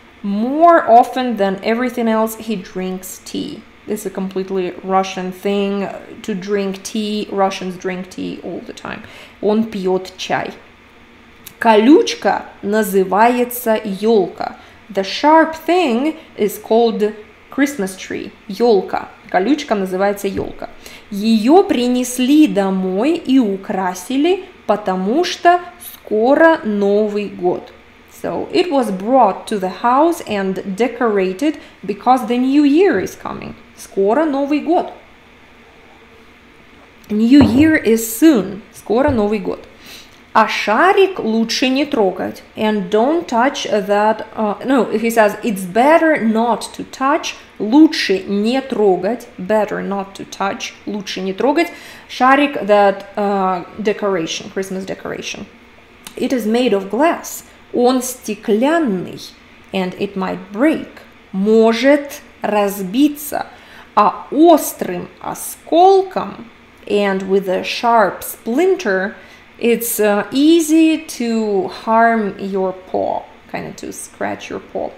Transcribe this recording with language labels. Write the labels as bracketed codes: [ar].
[en] More often than everything else, he drinks tea. This is a completely Russian thing to drink tea. Russians drink tea all the time. [ru] Он пьет чай. Колючка называется ёлка. [en] The sharp thing is called Christmas tree. Ёлка. [ru] Колючка называется ёлка. Её принесли домой и украсили, потому что скоро Новый год. [en] So it was brought to the house and decorated because the new year is coming. [ru] Скоро Новый год. [en] New year is soon. [ru] Скоро Новый год. А шарик лучше не трогать. [en] And don't touch that. No, he says it's better not to touch. [ru] Лучше не трогать. [en] Better not to touch. [ru] Лучше не трогать. [en] Шарик, that decoration, Christmas decoration. It is made of glass. [ru] Он стеклянный, [en] and it might break, [ru] может разбиться, а острым осколком, [en] and with a sharp splinter, it's easy to harm your paw, kind of to scratch your paw.